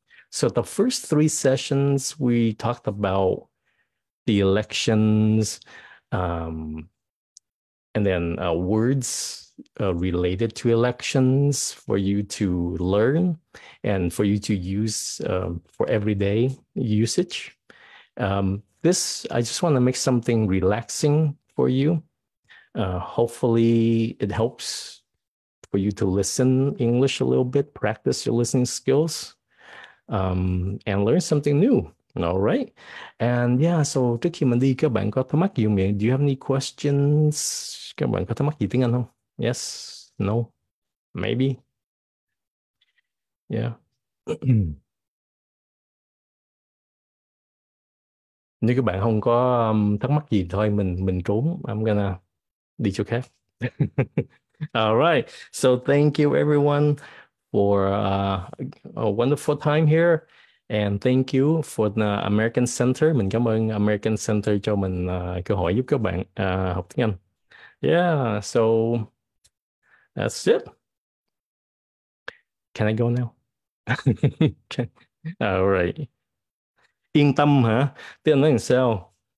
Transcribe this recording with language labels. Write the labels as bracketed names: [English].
[English] So the first three sessions, we talked about the elections, and then words related to elections for you to learn and for you to use for everyday usage. This, I just want to make something relaxing for you. Hopefully it helps for you to listen English a little bit, practice your listening skills, and learn something new. All right. [Vietnamese] And yeah, so trước khi mình đi, các bạn có thắc mắc gì không? [English] Do you have any questions? [Vietnamese] Các bạn có thắc mắc gì tiếng Anh không? [English] Yes, no, maybe. Yeah. [Vietnamese] Nếu các bạn không có thắc mắc gì thôi, mình trốn. [English] I'm gonna [Vietnamese] đi chỗ khác. [English] All right. So thank you everyone for a wonderful time here. And thank you for the American Center. [Vietnamese] Mình cảm ơn American Center cho mình cơ hội giúp các bạn học tiếng Anh. [English] Yeah, so that's it. Can I go now? Okay. All right. [Vietnamese] Yên tâm hả? Tiếng nói làm sao?